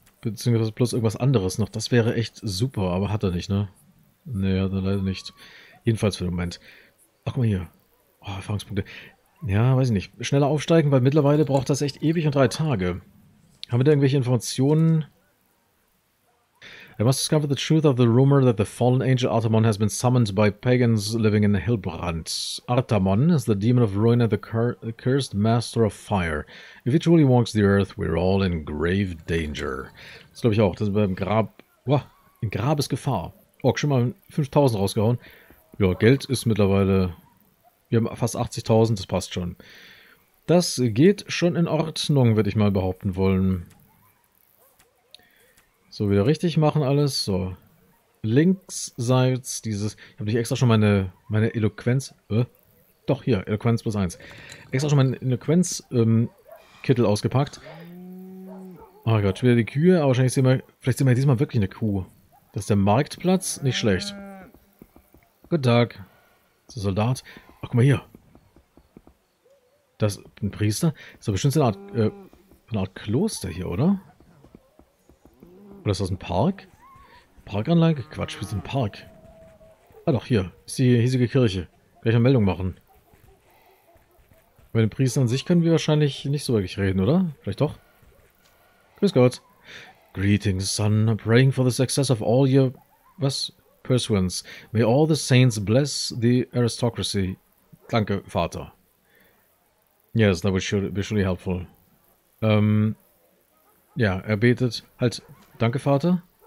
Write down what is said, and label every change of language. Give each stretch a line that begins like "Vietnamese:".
German: Beziehungsweise plus irgendwas anderes noch. Das wäre echt super, aber hat er nicht, ne? Nee, hat er leider nicht. Jedenfalls für den Moment. Ach, guck mal hier. Oh, Erfahrungspunkte. Ja, weiß ich nicht. Schneller aufsteigen, weil mittlerweile braucht das echt ewig und 3 Tage. Haben wir da irgendwelche Informationen?
English: I must discover the truth of the rumor that the fallen angel Artamon has been summoned by pagans living in Hilbrand. Artamon is the demon of ruin and the cursed master of fire. If he truly walks the earth, we're all in grave danger.
German: Das glaube ich auch. Das ist beim Grab. Wow, in Grabesgefahr. Oh, schon mal 5000 rausgehauen. Ja, Geld ist mittlerweile. Wir haben fast 80.000, das passt schon. Das geht schon in Ordnung, würde ich mal behaupten wollen. So, wieder richtig machen alles. So. Linksseits dieses. Ich habe nicht extra schon meine Eloquenz. Doch, hier, Eloquenz plus 1. Extra schon meinen Eloquenz-Kittel ausgepackt. Oh Gott, schon wieder die Kühe, aber wahrscheinlich sehen wir. Vielleicht sehen wir diesmal wirklich eine Kuh. Das ist der Marktplatz. Nicht schlecht. Guten Tag. So, Soldat. Ach, guck mal hier. Das ist ein Priester. Das ist doch bestimmt eine Art Kloster hier, oder? Oder ist das ein Park? Parkanlage? Quatsch, wir sind ein Park. Ah doch, hier. Ist die hiesige Kirche. Gleich eine Meldung machen. Mit dem Priester an sich können wir wahrscheinlich nicht so wirklich reden, oder? Vielleicht doch. Grüß Gott.
English: Greetings, son. I'm praying for the success of all your... Was? Pursuance. May all the saints bless the aristocracy.
German: Danke, Vater.
English: Yes, that would be surely helpful.
German: Ja, er betet. Halt, danke, Vater.